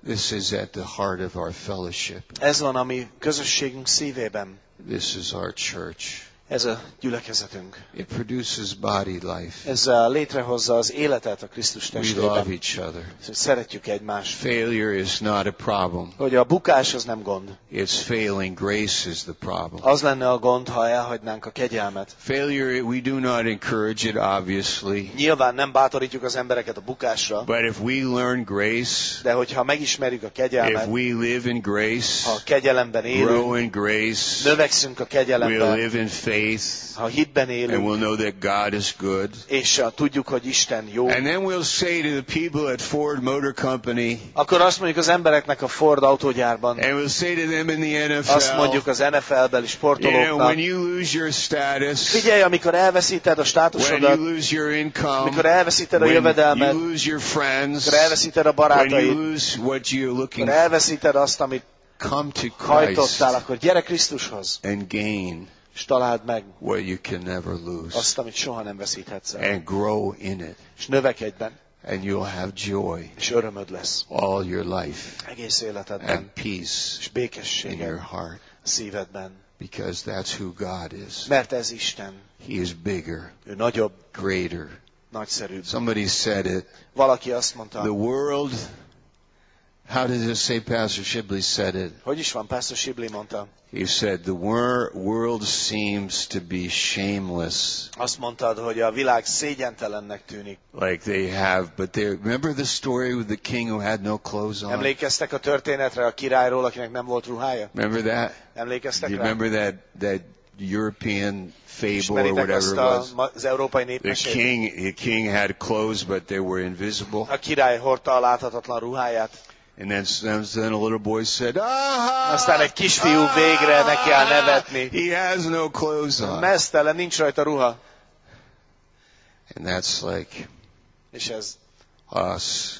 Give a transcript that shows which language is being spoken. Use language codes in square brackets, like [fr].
[en] This is at the heart of our fellowship. [hu] Ez van a mi közösségünk szívében. [en] This is our church. [hu] Ez a gyülekezetünk. [en] It produces body life. [hu] Ez létrehozza az életet a Krisztus testében. [en] We love each other. [hu] Szeretjük egymást. [en] Failure is not a problem. [hu] Hogy a bukás az nem gond. [en] It's failing. Grace is the problem. [hu] Az lenne a gond, ha elhagynánk a kegyelmet. [en] Failure, we do not encourage it, obviously. [hu] Nyilván nem bátorítjuk az embereket a bukásra. [en] But if we learn grace, [hu] de hogyha megismerjük a kegyelmet, [en] if we live in grace, [hu] ha a kegyelemben élünk, [en] grow in grace, [hu] növekszünk a kegyelemben, [en] we'll live in faith, [hu] ha hitben élünk, [en] and we'll know that God is good, [hu] és tudjuk, hogy Isten jó. [en] And then we'll say to the people at Ford Motor Company, [hu] akkor azt mondjuk az embereknek a Ford autógyárban, [en] and we'll say to them in the NFL, [hu] azt mondjuk az NFL-beli sportolóknak, [en] you know, when you lose your status, [hu] figyelj, amikor elveszíted a státusodat, [en] when you lose your income, [hu] amikor elveszíted a jövedelmet, [en] you lose your friends, [hu] amikor elveszíted a barátaid, [en] when you lose what you're looking [hu] for, amikor elveszíted azt, amit [en] come to Christ, [hu] hajtottál, akkor gyere Krisztushoz, [en] and gain, [hu] és találd meg [en] what you can never lose, [hu] azt, amit soha nem veszíthetsz el. [en] And grow in it, [hu] és növekedj benne. [en] And you'll have joy, [hu] és örömöd lesz. [en] All your life, [hu] egész életedben. [en] And peace, [hu] és békességed. [en] In your heart, [hu] szívedben. [en] Because that's who God is. [hu] Mert ez Isten. [en] He is bigger, [hu] ő nagyobb. [en] Greater, [hu] nagyszerűbb. [en] Somebody said it. [hu] Valaki azt mondta. [en] The world. How did it say Pastor Shibley said it? [hu] Hogy is van, Pastor Shibley mondta? [en] He said the world seems to be shameless. [hu] Azt mondtad, hogy a világ szégyentelennek tűnik. [en] Like they have, but they remember the story with the king who had no clothes on. [hu] Emlékeztek a történetre a királyról, akinek nem volt ruhája? [en] Remember that? [hu] Emlékeztek rá? [en] Remember that European fable or whatever it was. [hu] Az európai népmesét. [en] The king had clothes, but they were invisible. [hu] A király hordta a láthatatlan ruháját. [en] And then a little boy said, [hu] aztán egy kisfiú végre neki áll nevetni. [en] He has no clothes on. [hu] Mesztelen, nincs rajta ruha. [en] And that's like [hu] és ez [en] us